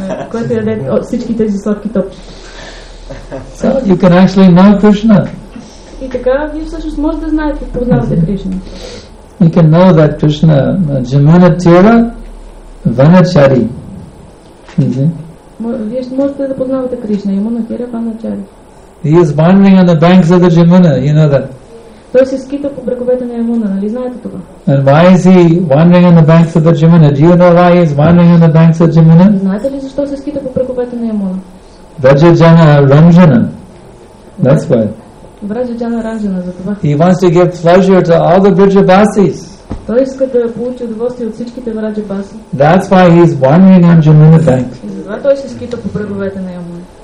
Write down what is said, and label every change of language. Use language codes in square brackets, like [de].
[bg] Което яде всички тези сладки топчета. [en] So you can actually know Krishna. [bg] И така вие всъщност можете да знаете, познавате Кришна. [en] You can know that Krishna, Jamuna Tira, Vanachari. [bg] Вие можете да познавате Кришна, Jamuna Tira, Vanachari. [en] He is wandering on the banks of the Jamuna, you know that. [bg] Той се скита по бреговете на Ямуна, нали знаете това? [en] And why is he wandering on the banks of the Jamuna? Do you know why he is wandering on the banks of Jamuna? [bg] Знаете ли защо се скита по бреговете на Ямуна? [en] Vrajajana Ranjana. That's why. [bg] Vrajajana Ranjana, за това. [en] He wants to give pleasure to all the Vrajabasis. [bg] Той иска да получи удоволствие от всичките Vrajabasi. [en] That's why he is wandering on Jamuna bank. [bg] Затова той се скита по бреговете на Ямуна.